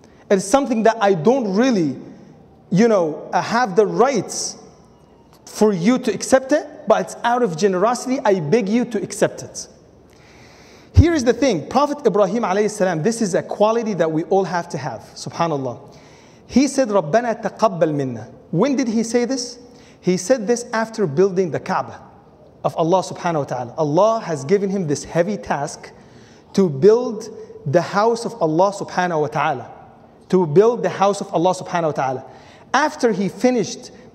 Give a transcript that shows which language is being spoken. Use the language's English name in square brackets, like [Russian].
[English] It's something that I don't really, you know, have the rights for you to accept it, but it's out of generosity, I beg you to accept it. Here is the thing, Prophet Ibrahim alayhi salam, this is a quality that we all have to have, subhanAllah. He said, [Arabic] رَبَّنَا تَقَبَّلْ مِنَّا. [English] When did he say this? He said this after building the Kaaba of Allah subhanahu wa ta'ala. Allah has given him this heavy task to build the house of Allah subhanahu wa ta'ala. To build the house of Allah subhanahu wa ta'ala. After he finished